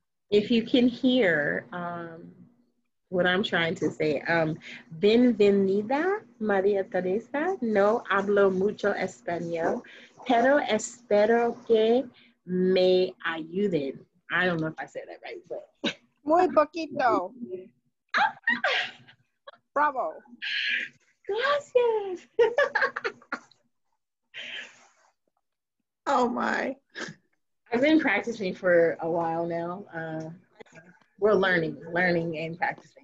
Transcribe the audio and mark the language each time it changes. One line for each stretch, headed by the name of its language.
English: If you can hear what I'm trying to say,
Spanish: bienvenida,
English: Maria Teresa.
Spanish: No hablo mucho español, pero espero que me ayuden.
English: I don't know if I said that right, but.
Spanish: Muy poquito. Bravo. Gracias.
English: Oh my. I've been practicing for a while now. We're learning and practicing.